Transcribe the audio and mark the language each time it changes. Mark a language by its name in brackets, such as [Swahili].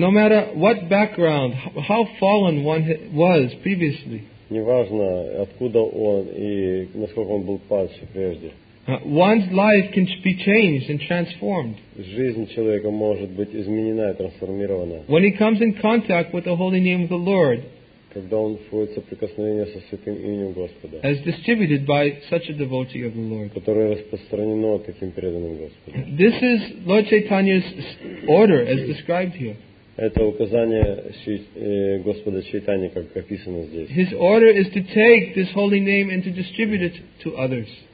[English] No matter what background, how fallen one was previously. [Russian] Неважно, откуда он и насколько он был падший прежде. [English] One's life can be changed and transformed. [Russian] Жизнь человека может быть изменена и трансформирована. [English] When he comes in contact with the holy name of the Lord. [Russian] Когда он входит в соприкосновение со святым именем Господа. [English] As distributed by such a devotee of the Lord. [Russian] Которое распространено таким преданным Господом. [English] This is Lord Chaitanya's order as described here. [Russian] Это указание Господа Чайтани, как описано здесь. [English] His order is to take this holy name and to distribute it to others.